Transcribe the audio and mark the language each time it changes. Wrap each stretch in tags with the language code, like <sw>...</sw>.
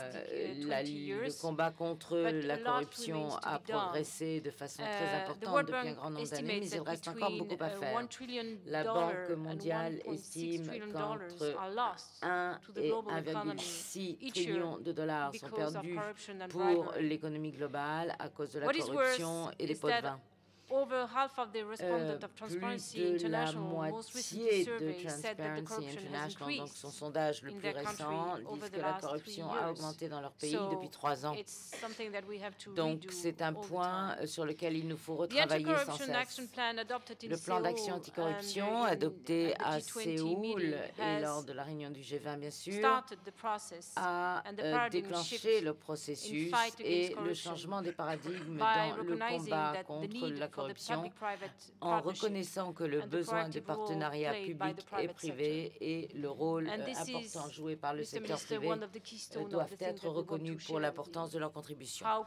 <fr>Le combat contre la corruption a progressé de façon très importante depuis un grand nombre d'années, mais il reste encore beaucoup à faire. La Banque mondiale estime qu'entre 1 et 1,6 trillion de dollars sont perdus pour l'économie globale à cause de la corruption et des pots de vin.</fr> <en>Over half of the respondents of Transparency International, most recent survey, said that the corruption international,</en> <fr>donc son sondage le plus récent, dit que la corruption a augmenté dans leur pays depuis trois ans. Donc c'est un point sur lequel il nous faut retravailler sans cesse. Le plan d'action anticorruption adopté à Séoul et lors de la réunion du G20, bien sûr, a déclenché le processus et le changement des paradigmes dans le combat contre la corruption en reconnaissant que le besoin de partenariat public et privé et le rôle important joué par le secteur privé doivent être reconnus pour l'importance de leur contribution.</fr>